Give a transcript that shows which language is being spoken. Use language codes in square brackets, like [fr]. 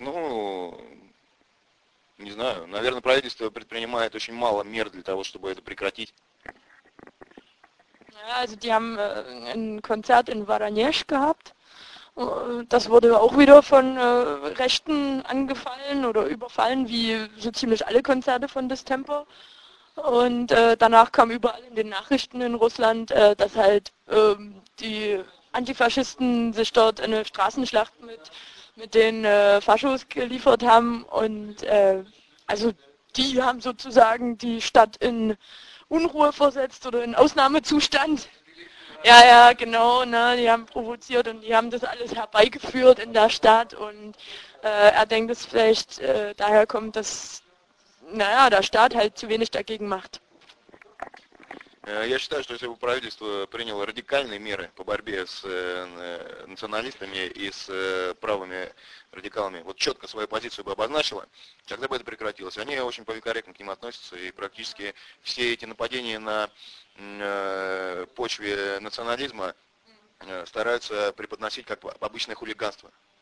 [ru] Ну, не знаю. Наверное, правительство предпринимает очень мало мер для того, чтобы это прекратить. [de] Also, die haben ein Konzert in Воронеж gehabt. Das wurde auch wieder von Rechten angefallen oder überfallen, wie so ziemlich alle Konzerte von Distemper. Und danach kam überall in den Nachrichten in Russland, dass halt die Antifaschisten sich dort eine Straßenschlacht mit den Faschos geliefert haben. Und also die haben sozusagen die Stadt in Unruhe versetzt oder in Ausnahmezustand. Ja, ja, genau, ne? Die haben provoziert und die haben das alles herbeigeführt in der Stadt. Und er denkt, dass vielleicht daher kommt, dass der Staat halt zu wenig dagegen macht. [ru] Я считаю, что если бы правительство приняло радикальные меры по борьбе с националистами и с правыми радикалами, вот четко свою позицию бы обозначило, тогда бы это прекратилось. Они очень поликорректно к ним относятся, и практически все эти нападения на почве национализма стараются преподносить как обычное хулиганство.